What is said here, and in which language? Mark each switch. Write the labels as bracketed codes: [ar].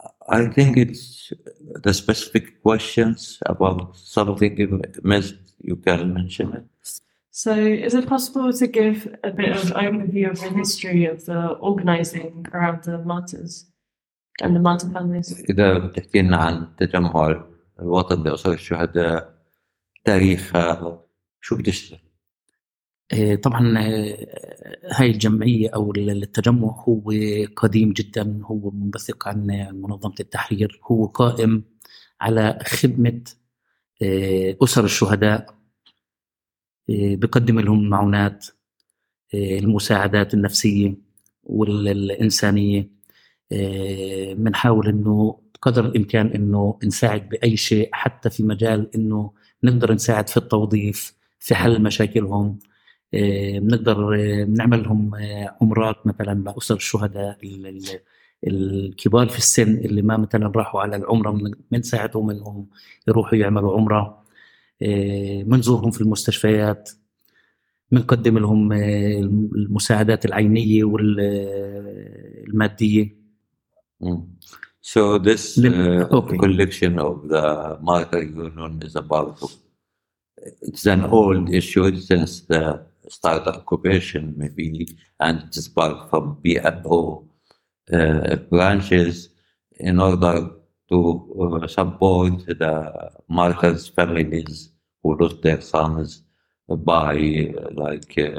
[en] I think it's the specific questions about something you missed, you can mention it. So is it possible to give a bit of overview of the history of the organizing around the martyrs and the martyr families? [ar] إذا بتحكينا عن تجمع الوطن لأسر الشهداء تاريخ شو بتشتغل؟ طبعا هاي الجمعية أو التجمع هو قديم جدا، هو منبثق عن منظمة التحرير، هو قائم على خدمة أسر الشهداء، بقدم لهم المعونات المساعدات النفسية والإنسانية، بنحاول إنه بقدر الإمكان إنه نساعد بأي شيء، حتى في مجال إنه نقدر نساعد في التوظيف في حل مشاكلهم، بنقدر نعمل لهم عمرات مثلا لأسر الشهداء الكبار في السن اللي ما مثلا راحوا على العمرة، بنساعدهم إنهم يروحوا يعملوا عمرة، بنزورهم في المستشفيات، بنقدم لهم المساعدات العينية والمادية. [en] So this collection of the Martyr Union is about, it's an old issue since the start of occupation maybe, and it's part from BNO branches in order to support the martyrs' families who lost their sons by like